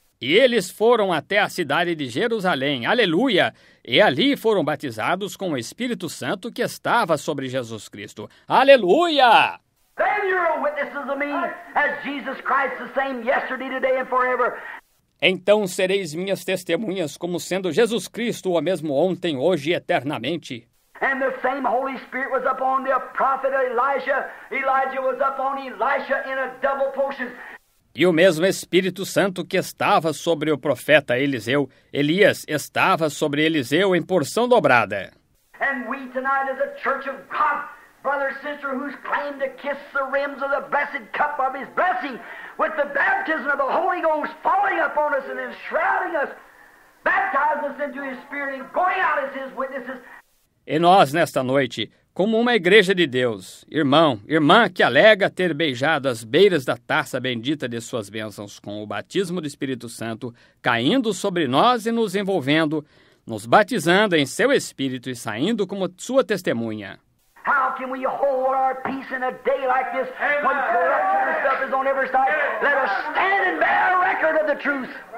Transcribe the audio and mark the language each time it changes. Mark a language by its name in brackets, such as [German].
[Portuguese] E eles foram até a cidade de Jerusalém, aleluia, e ali foram batizados com o Espírito Santo que estava sobre Jesus Cristo, aleluia. [English] Then you're a witness of me, as Jesus Christ the same yesterday, today and forever. [Portuguese] Então sereis minhas testemunhas como sendo Jesus Cristo o mesmo ontem, hoje e eternamente. [English] And the same Holy Spirit was upon the prophet Elijah. Elijah was upon Elisha in a double portion. [Portuguese] E o mesmo Espírito Santo que estava sobre o profeta Eliseu, Elias, estava sobre Eliseu em porção dobrada. [English] And we tonight as a church of God, brother, sister, who's claimed to kiss the rims of the blessed cup of his blessing, with the baptism of the Holy Ghost falling upon us and enshrouding us, baptizing us into his spirit and going out as his witnesses. [Portuguese] E nós, nesta noite, como uma igreja de Deus, irmão, irmã que alega ter beijado as beiras da taça bendita de suas bênçãos com o batismo do Espírito Santo, caindo sobre nós e nos envolvendo, nos batizando em seu Espírito e saindo como sua testemunha. [English] How can we hold our peace in a day like this when corruption and stuff is on every side? Let us stand and bear a record of the truth.